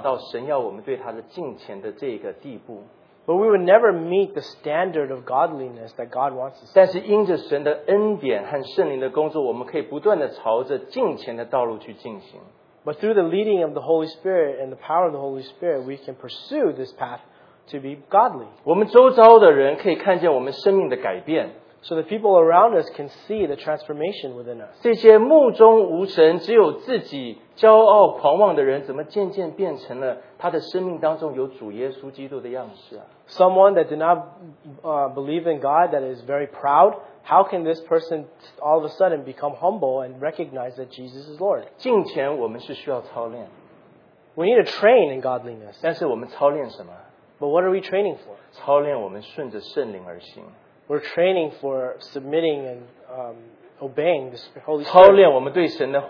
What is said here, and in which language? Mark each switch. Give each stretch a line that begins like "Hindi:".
Chinese: 可是我们永远是没有办法达到神要我们对他的敬虔的这个地步。
English: But we would never meet the standard of godliness that God wants us to.
Chinese: 但是因着神的恩典和圣灵的工作,我们可以不断地朝着敬虔的道路去进行。
English: But through the leading of the Holy Spirit and the power of the Holy Spirit, we can pursue this path to be godly.
Chinese: 我们周遭的人可以看见我们生命的改变。
English: So the people around us can see the transformation within us.
Chinese: 这些目中无神,只有自己骄傲狂妄的人,怎么渐渐变成了他的生命当中有主耶稣基督的样式啊?
English: Someone that did not believe in God, that is very proud, how can this person all of a sudden become humble and recognize that Jesus is Lord?
Chinese: 敬虔我们是需要操练。
English: We need to train in godliness.
Chinese: 但是我们操练什么?
English: But what are we training for?
Chinese: 操练我们顺着圣灵而行。
English: We're training for submitting and obeying the Holy Spirit.